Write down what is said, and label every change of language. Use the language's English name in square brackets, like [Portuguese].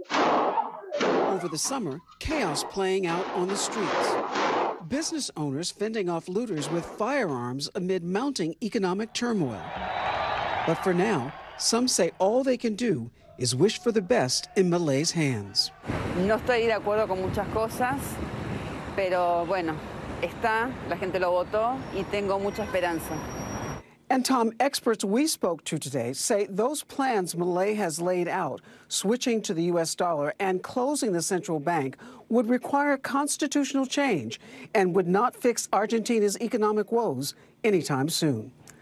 [English] Over the summer, chaos playing out on the streets. Business owners fending off looters with firearms amid mounting economic turmoil. But for now, some say all they can do is wish for the best in Milei's hands. [Spanish] No estoy de acuerdo con muchas cosas, pero bueno, está, la gente lo votó y tengo mucha esperanza. [English] And Tom, experts we spoke to today say those plans Milei has laid out, switching to the U.S. dollar and closing the central bank, would require constitutional change and would not fix Argentina's economic woes anytime soon.